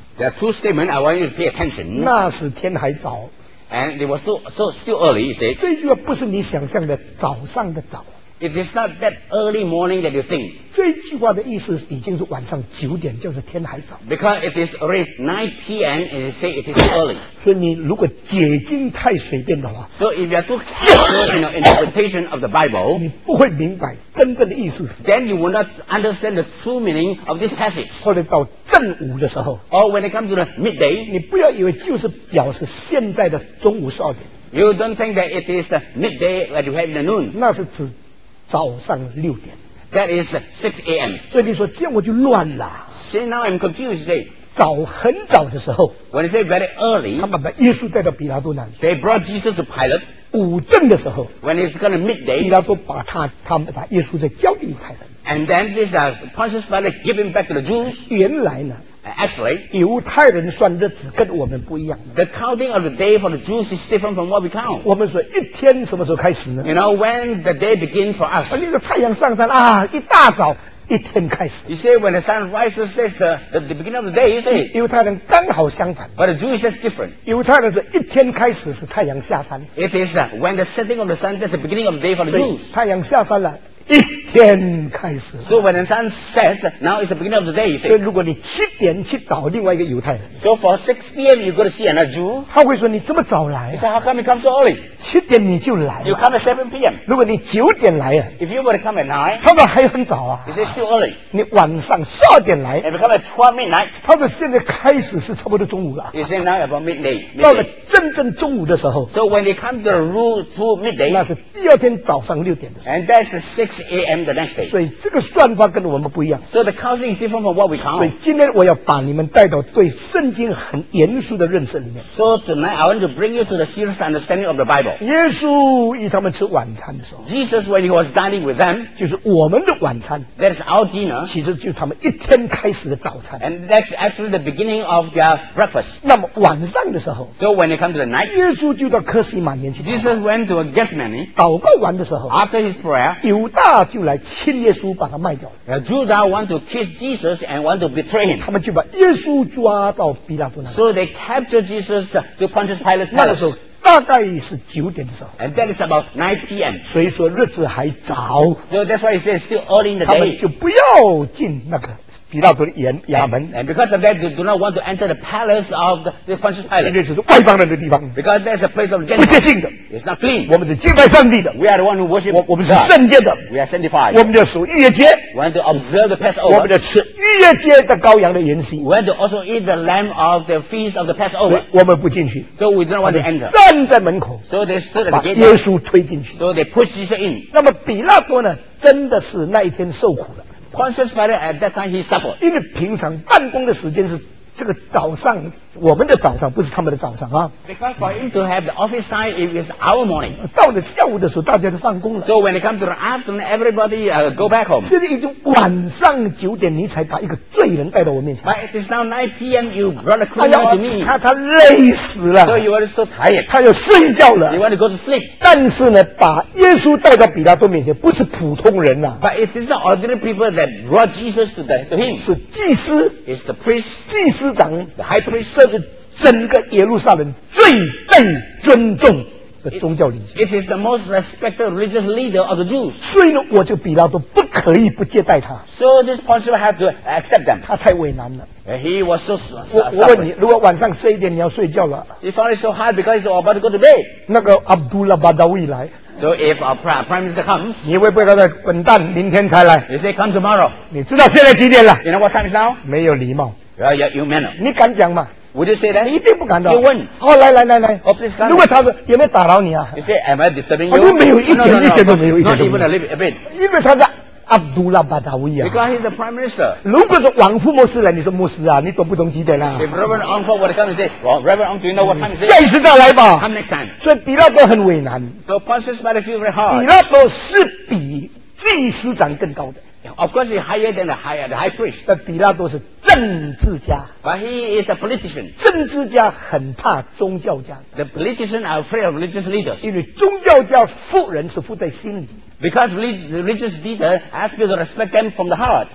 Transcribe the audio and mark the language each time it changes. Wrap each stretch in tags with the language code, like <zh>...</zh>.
<en>There are two statements I want you to pay attention.</en> <zh>那时天还早。</zh> <en>And it was so still early, you say.</en> <zh>这句话不是你想象的早上的早。</zh> <en>It is not that early morning that you think.</en> <zh>这句话的意思已经是晚上九点，就是天还早。</zh> <en>Because it is already 9 PM and you say it is early.</en> <zh>所以你如果解经太随便的话</zh> <en>，So if you are too careful in your interpretation of the Bible,</en> <zh>你不会明白真正的意思。</zh> <en>Then you will not understand the true meaning of this passage.</en> <zh>或者到正午的时候</zh> <en>，Or when it comes to the midday,</en> <zh>你不要以为就是表示现在的中午十二点。</zh> <en>You don't think that it is the midday that、like、you have in the noon.</en> <zh>那是指早上六点</zh> <en>，That is 6 AM。</en> <zh>所以你说这样我就乱了。</zh> <en>See now I'm confused.</en> <zh>早很早的时候</zh> <en>，When they say very early，</en> <zh>他们把耶稣带到比拉多那里。</zh> <en>They brought Jesus to Pilate。</en> <zh>午正的时候</zh> <en>，When it's gonna midday，</en> <zh>比拉多把他们把耶稣再交给犹太人。</zh> <en>And then this Pontius Pilate giving back to the Jews。</en> <zh>原来呢</zh> <en>，Actually，</en> <zh>犹太人算日子跟我们不一样。</zh> <en>The counting of the day for the Jews is different from what we count。</en> <zh>我们说一天什么时候开始呢</zh> <en>？You know when the day begins for us。</en> <zh>那个太阳上山啊，一大早一天开始。</zh> <en>You say when the sun rises, that's the beginning of the day. You say</en> <zh>犹太人刚好相反。</zh> <en>But the Jews is different。</en> <zh>犹太人是一天开始是太阳下山。</zh> <en>It is when the setting of the sun, that's the beginning of the day for the Jews。</en> <zh>太阳下山了。一天开始。</zh> <en>So when the sun sets, now is the beginning of the day.</en> <zh>所以如果你七点去找另外一个犹太人</zh> <en>，So for 6 PM you go to see another Jew.</en> <zh>他会说你这么早来、啊、</zh> <en>？He said, How come you come so early?</en> <zh>七点你就来了。</zh> <en>You come at 7 PM.</en> <zh>如果你九点来啊</zh> <en>，If you were to come at 9,</en> <zh>他们还很早啊。</zh> <en>He said, Too early.</en> <zh>你晚上12点来</zh> <en>，If you come at 12 midnight,</en> <zh>他们现在开始是差不多中午了。</zh> <en>He said, Now about midday.</en> <zh>到了真正中午的时候</zh> <en>，So when they come to the room to midday,</en> <zh>那是第二天早上六点的时候。</zh> <en>And that's six. 6 a.m. the next day.</en> <zh>所以这个算法跟我们不一样。</zh> <en>So the counting is different from what we count.</en> <zh>所以今天我要把你们带到对圣经很严肃的认识里面。</zh> <en>So tonight I want to bring you to the serious understanding of the Bible.</en> <zh>耶稣与他们吃晚餐的时候</zh> <en>，Jesus when he was dining with them，</en> <zh>就是我们的晚餐。</zh> <en>That is our dinner.</en> <zh>其实就是他们一天开始的早餐。</zh> <en>And that's actually the beginning of their breakfast.</en> <zh>那么晚上的时候</zh> <en>，So when it comes to the night，</en> <zh>耶稣就到客西马尼去。</zh> <en>Jesus went to a Gethsemane.</en> <zh>祷告完的时候</zh> <en>，After his prayer，</en> <zh>犹大就来亲耶稣，把他卖掉。</zh> <en>Judas want to kiss Jesus and want to betray him.</en> <zh>他们就把耶稣抓到比拉多那里。</zh> <en>So they captured Jesus to Pontius Pilate.</en> <zh>那个时候大概是九点的时候。</zh> <en>And that is about 9 p.m.</en> <zh>所以说日子还早。</zh> <en>So that's why he says still early in the day.</en> <zh>他们就不要进那个比拉多的衙门。</zh> <en>And because of that, they do not want to enter the palace of the Pontius Pilate.</en> <zh>那就是外邦人的地方。</zh> <en>Because that's a place of</en> <zh>Gentiles. 不洁净的。</zh> <en>It's not clean.</en> <zh>我们是敬拜上帝的。</zh> <en>We are the one who worship</en> <zh>God. 我们是圣洁的。</zh> <en>We are sanctified.</en> <zh>我们要守逾越节。</zh> <en>We want to observe the Passover.</en> <zh>我们要吃逾越节的羔羊的筵席。</zh> <en>We want to also eat the lamb of the feast of the Passover.</en> <zh>我们不进去。</zh> <en>So we do not want to enter.</en> <zh>站在门口。</zh> <en>So they stood at the gate.</en> <zh>把耶稣推进去。</zh> <en>So they pushed Jesus in.</en> <zh>那么比拉多呢，真的是那一天受苦了。</zh> <en>Pontius Pilate at that time he suffered.</en> <zh>因为平常办公的时间是这个早上，我们的早上不是他们的早上啊。</zh> <en>Because for him to have the office time, it is our morning.</en> <zh>到了下午的时候，大家都放工了。</zh> <en>So when it comes to the afternoon, everybody go back home.</en> <zh>现在已经晚上九点，你才把一个罪人带到我面前。</zh> <en>But it is now 9 p.m. You brought a criminal to me.</en> <zh>他累死了。</zh> <en>So you are so tired.</en> <zh>他要睡觉了。</zh> <en>You want to go to sleep.</en> <zh>但是呢，把耶稣带到比拉多面前，不是普通人呐。</zh> <en>But it is not ordinary people that brought Jesus to the to him.</en> <zh>是祭司。</zh> <en>It's the priest.</en> <zh>祭司。司长</zh> <en>，The High Priest</en> <zh>是整个耶路撒冷最被尊重的宗教领袖。</zh> <en>It is the most respected religious leader of the Jews.</en> <zh>所以呢，我就比拉多不可以不接待他。</zh> <en>So this Pontius had to accept them.</en> <zh>他太为难了。</zh> <en>He was so</en> <zh>suffering. 我问你，如果晚上十一点你要睡觉了</zh> <en>，He found it so hard because he's about to go to bed.</en> <zh>那个 Abdullah Badawi 来。</zh> <en>So if our prime minister comes,</en> <zh>你会不会在滚蛋？明天才来。</zh> <en>You say come tomorrow.</en> <zh>你知道现在几点了</zh> <en>？You know what time is now?</en> <zh>没有礼貌。</zh> <en>You manner.</en> <zh>你敢讲吗</zh> <en>？Would you say that?</en> <zh>你一定不敢的。</zh> <en>You won.</en> <zh>好、oh, ，来来来来。</zh> <en>Oh, please come.</en> <zh>如果他说有没有打扰你啊</zh> <en>？You say am I disturbing you？</en> <zh>我、oh, 没有一点</zh> <en>no,</en> <zh>一点都没有一点。</zh> <en>Not even a little bit.</en> <zh>因为他是阿卜杜拉巴达维啊。</zh> <en>Because he's the prime minister.</en> <zh>如果说王副牧师来，你说牧师啊，你懂不懂几点啊</zh> <en>？If Reverend Uncle would come and say, well, Reverend Uncle, do you know what time is it?</en> <zh>下一次再来吧。</zh> <en>Come next time.</en> <zh>所以比拉多很为难。</zh> <en>So Pontius Pilate feels very hard.</en> <zh>比拉多是比祭司长更高的。</zh> <en>Of course, he's higher than the high priest.</en> <zh>But 比拉多是政治家。</zh> <en>But he is a politician.</en> <zh>政治家很怕宗教家。</zh> <en>The politicians are afraid of religious leaders.</en> <zh>因为宗教家富人是富在心里。</zh> <en>Because religious leader ask you to respect them from the heart.</en>